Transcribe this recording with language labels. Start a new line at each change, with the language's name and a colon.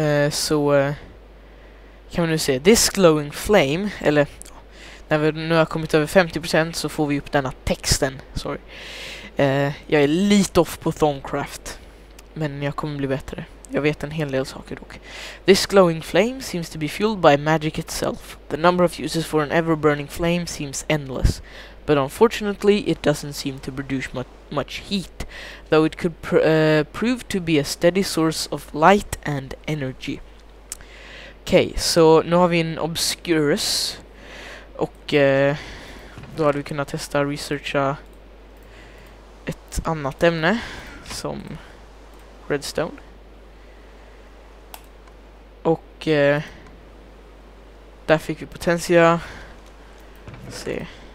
Swedish: Så kan vi nu se
English: this glowing flame,
Swedish: eller när vi nu har kommit över 50% så får vi upp denna texten. Sorry, jag är lite off på Thorncraft, men jag kommer bli bättre. Jag vet en hel del saker dock.
English: This glowing flame seems to be fueled by magic itself. The number of uses for an ever burning flame seems endless, but unfortunately it doesn't seem to produce much heat, though it could prove to be a steady source of light and energy.
Swedish: Okej, så nu har vi en Obscurus. Och då hade vi kunnat testa att researcha ett annat ämne som redstone. Och där fick vi Potentia. Se.